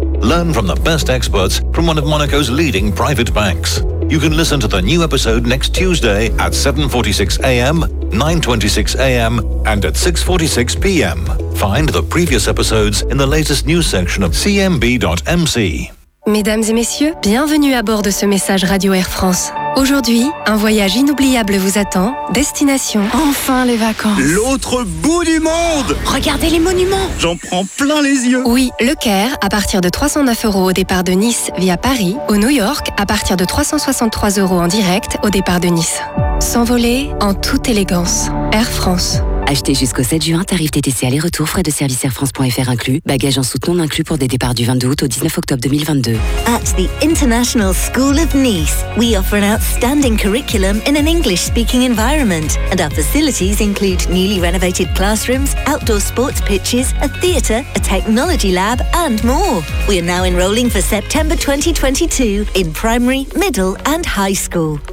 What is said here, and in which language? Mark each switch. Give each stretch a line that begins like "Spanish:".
English: Learn from the best experts from one of Monaco's leading private banks. You can listen to the new episode next Tuesday at 7.46 a.m., 9.26 a.m., and at 6.46 p.m. Find the previous episodes in the latest news section of cmb.mc.
French: Mesdames et messieurs, bienvenue à bord de ce message Radio Air France. Aujourd'hui, un voyage inoubliable vous attend. Destination, enfin les vacances. L'autre bout du monde. Regardez les monuments. J'en prends plein les yeux. Oui, le Caire, à partir de 309€ au départ de Nice via Paris, ou New York, à partir de 363€ en direct au départ de Nice. S'envoler en toute élégance. Air France. Achetez jusqu'au 7 juin, tarif TTC aller-retour, frais de service airfrance.fr inclus, bagages en soute-non inclus pour des départs du 22 août au 19 octobre 2022.
English: At the International School of Nice, we offer an outstanding curriculum in an English-speaking environment, and our facilities include newly renovated classrooms, outdoor sports pitches, a theatre, a technology lab, and more. We are now enrolling for September 2022 in primary, middle, and high school.